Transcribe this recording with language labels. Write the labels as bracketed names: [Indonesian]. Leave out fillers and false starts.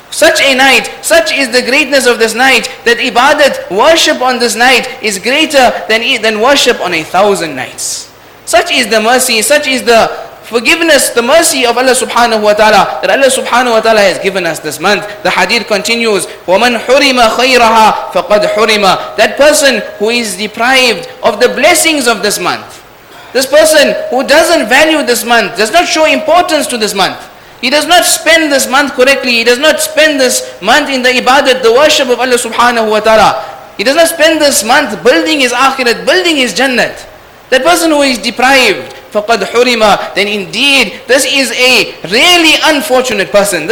[English] Such a night, such is the greatness of this night, that ibadat, worship on this night, is greater than worship on 1,000 nights. Such is the mercy, such is the forgiveness, the mercy of Allah subhanahu wa ta'ala, that Allah subhanahu wa ta'ala has given us this month. The hadith continues, [Arabic] وَمَنْ حُرِمَ خَيْرَهَا فَقَدْ حُرِمَ. [English] That person who is deprived of the blessings of this month, this person who doesn't value this month, does not show importance to this month, he does not spend this month correctly, he does not spend this month in the ibadat, the worship of Allah subhanahu wa ta'ala, he does not spend this month building his akhirat, building his jannat, that person who is deprived, [Arabic] فَقَدْ حُرِمَ, [English] then indeed, this is a really unfortunate person.